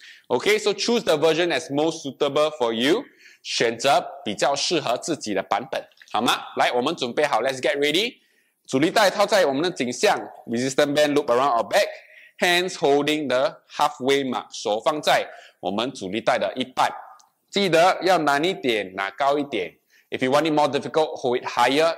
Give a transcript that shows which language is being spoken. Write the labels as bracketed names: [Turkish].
[English] Okay, so choose the version that's most suitable for you. [Chinese] 选择比较适合自己的版本，好吗？来，我们准备好 [English] ，Let's get ready. [Chinese] 阻力带套在我们的颈项 [English] ，resistance band loop around our back. Hands holding the halfway mark. [Chinese] 手放在我们阻力带的一半。记得要难一点，拿高一点。 [English] If you want it more difficult, hold it higher.